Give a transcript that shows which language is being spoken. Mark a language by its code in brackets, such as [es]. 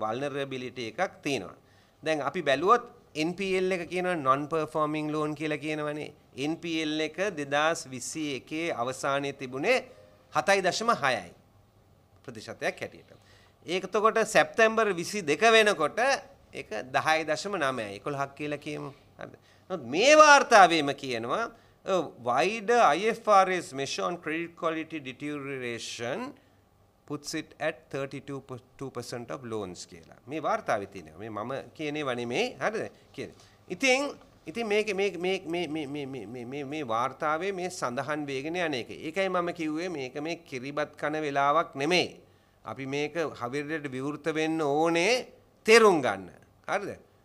[si] vulnerability එකක් තියෙනවා. දැන් අපි බැලුවොත් NPL එක කියනවා non performing loan කියලා කියනවනේ. NPL එක 2021 අවසානයේ තිබුණේ 7.6% ප්‍රතිශතයක් හැටියට. ඒකතකොට සැප්තැම්බර් 22 වෙනකොට ඒක 10.9 11ක් කියලා කියමු. හරිද? නමුත් මේ වார்த்தාවේම කියනවා [en] wider IFRS measure on credit quality deterioration puts it at 32.2% of loans කියලා. [si] මේ වார்த்தාවේ තියෙනවා. මේ මම කියනේව නෙමෙයි. හරිද? කියන්නේ. ඉතින් මේක මේ මේ මේ මේ මේ මේ මේ මේ වார்த்தාවේ මේ සඳහන් වේගෙන යන එක. ඒකයි මම කිව්වේ මේක මේ කිරිබත් කන වෙලාවක් නෙමෙයි. අපි මේක හවිරට විවෘත වෙන්න ඕනේ තේරුම් ගන්න. හරිද?